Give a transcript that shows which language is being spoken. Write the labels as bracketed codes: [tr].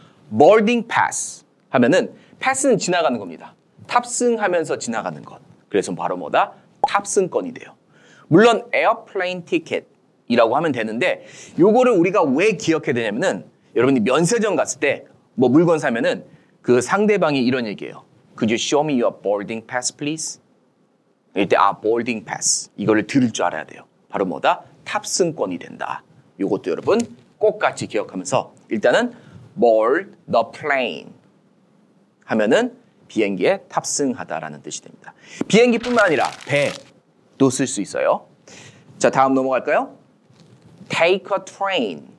[ko] boarding pass 하면은 pass는 지나가는 겁니다. 탑승하면서 지나가는 것. 그래서 바로 뭐다? 탑승권이 돼요. 물론 airplane ticket이라고 하면 되는데 요거를 우리가 왜 기억해야 되냐면은 여러분이 면세점 갔을 때 뭐 물건 사면은 그 상대방이 이런 얘기예요. [en] Could you show me your boarding pass, please? [ko] 이때 아, [en] boarding pass. [ko] 이거를 들을 줄 알아야 돼요. 바로 뭐다? 탑승권이 된다. 이것도 여러분 꼭 같이 기억하면서 일단은 [en] board the plane [ko] 하면은 비행기에 탑승하다라는 뜻이 됩니다. 비행기뿐만 아니라 배도 쓸 수 있어요. 자, 다음 넘어갈까요? [en] Take a train.